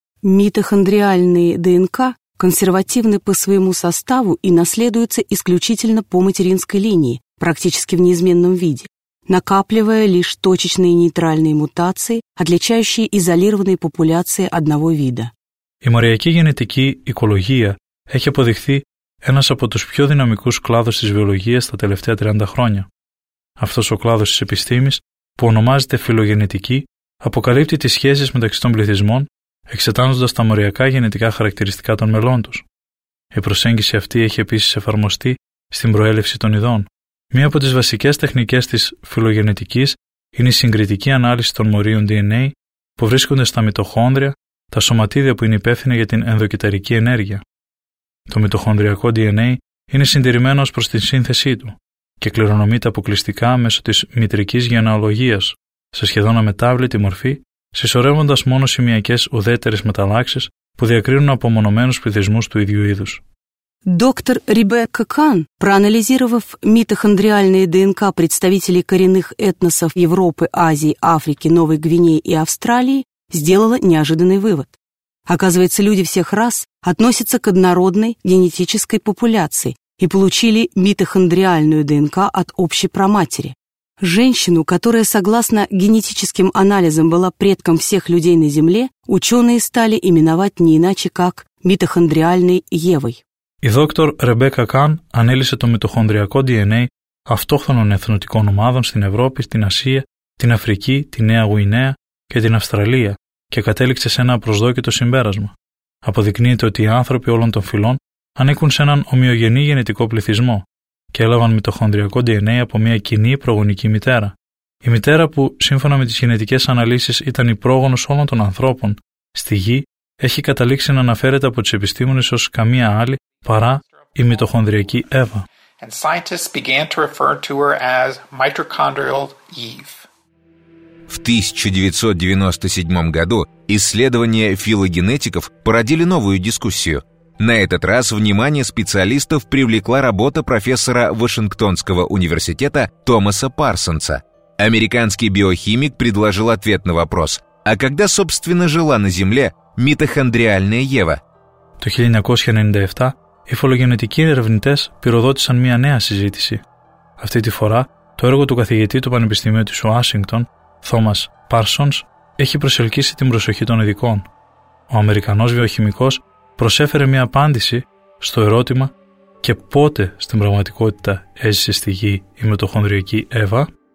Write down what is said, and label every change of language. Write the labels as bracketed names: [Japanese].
[Russian] Митохондриальные ДНК консервативны по своему составу и наследуются исключительно по материнской линии, практически в неизменном виде, накапливая лишь точечные нейтральные мутации, отличающие изолированные популяции одного вида. [Greek] Η μοριακή γενετική οικολογία έχει αποδειχθεί ένας από τους πιο δυναμικούς κλάδους της βιολογίας τα τελευταία 30 χρόνια. Αυτός ο κλάδος της επιστήμης, που ονομάζεται φιλογενετική, αποκαλύπτει τις σχέσεις μεταξύ των πληθυσμών, εξετάζοντας τα μοριακά γενετικά χαρακτηριστικά των μελών τους. Η προσέγγιση αυτή έχει επίσης εφαρμοστεί στην προέλευση των ειδών. Μία από τις βασικές τεχνικές της φιλογενετικής είναι η συγκριτική ανάλυση των μορίων DNA που βρίσκονται στα μιτοχόνδρια, τα σωματίδια που είναι υπεύθυνα για την ενδοκυταρική ενέργεια. Το μιτοχονδριακό DNA είναι συντηρημένο ως προς τη σύνθεσή του και κληρονομείται αποκλειστικά μέσω της μητρικής γενεαλογίας σε σχεδόν αμετάβλητη μορφή, συσσωρεύοντας μόνο σημειακές ουδέτερες μεταλλάξεις που διακρίνουν απομονωμένους πληθυσμούς του ίδιου είδους. [Russian] Доктор Ребекка Кан, проанализировав митохондриальные ДНК представителей коренных этносов Европы, Азии, Африки, Новой Гвинеи и Австралии, сделала неожиданный вывод. Оказывается, люди всех рас относятся к однородной генетической популяции и получили митохондриальную ДНК от общей праматери. Женщину, которая согласно генетическим анализам была предком всех людей на Земле, ученые стали именовать не иначе, как митохондриальной Евой. [Greek] Η δόκτωρ Ρεμπέκα Καν ανέλησε το μιτοχονδριακό DNA αυτόχθονων εθνοτικών ομάδων στην Ευρώπη, στην Ασία, την Αφρική, τη Νέα Γουινέα και την Αυστραλία και κατέληξε σε ένα απροσδόκητο συμπέρασμα. Αποδεικνύεται ότι οι άνθρωποι όλων των φυλών ανήκουν σε έναν ομοιογενή γενετικό πληθυσμό και έλαβαν μιτοχονδριακό DNA από μια κοινή προγονική μητέρα. Η μητέρα που, σύμφωνα με τις γενετικές αναλύσεις, ήταν η πρόγονος όλων των ανθρώπων στη Γη, έχει καταλήξει να αναφέρεται από τους επιστήμονες ως καμία άλλη παρά η μιτοχονδριακή Εύα. [English] And scientists began to refer to her as mitochondrial Eve. [Russian] В 1997 году исследования филогенетиков породили новую дискуссию. На этот раз внимание специалистов привлекла работа профессора Вашингтонского университета Томаса Парсонса. Американский биохимик предложил ответ на вопрос: а когда, собственно, жила на Земле митохондриальная Ева? В 1997 году [Greek] οι φωλογενετικοί ερευνητές πυροδότησαν μια νέα συζήτηση. Αυτή τη φορά, το έργο του καθηγητή του Πανεπιστημίου της Ουάσιγκτον, Thomas Parsons, έχει προσελκύσει την προσοχή των ειδικών. Ο Αμερικανός βιοχημικός προσέφερε μια απάντηση στο ερώτημα «Και πότε στην πραγματικότητα έζησε στη Γη η μετοχονδριακή Εύα?»